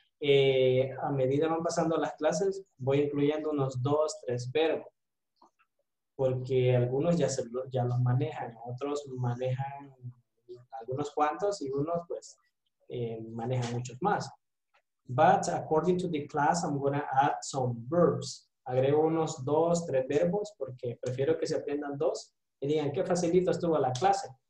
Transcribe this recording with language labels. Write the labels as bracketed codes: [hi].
[es] A medida van pasando las clases, voy incluyendo unos 2, 3 verbos. Porque algunos ya los manejan, otros manejan algunos cuantos y unos pues manejan muchos más. [en] But according to the class, I'm going to add some verbs. [es] Agrego unos 2, 3 verbos porque prefiero que se aprendan 2 y digan qué facilito estuvo la clase.